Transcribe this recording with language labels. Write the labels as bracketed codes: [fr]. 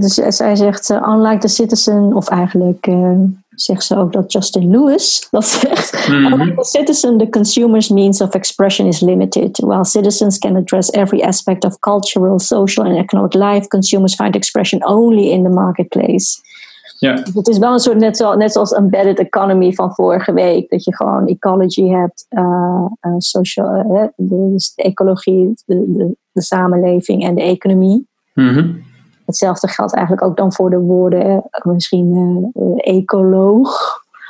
[nl] Dus zij zegt, unlike the citizen, of eigenlijk zegt ze ook dat Justin Lewis dat zegt. Mm-hmm. [en] Unlike the citizen, the consumer's means of expression is limited. While citizens can address every aspect of cultural, social and economic life, consumers find expression only in the marketplace. [nl] Ja. Dus het is wel een soort net zoals embedded economy van vorige week. Dat je gewoon ecology hebt, de ecologie, de samenleving en de economie. Mm-hmm. Hetzelfde geldt eigenlijk ook dan voor de woorden, misschien ecoloog.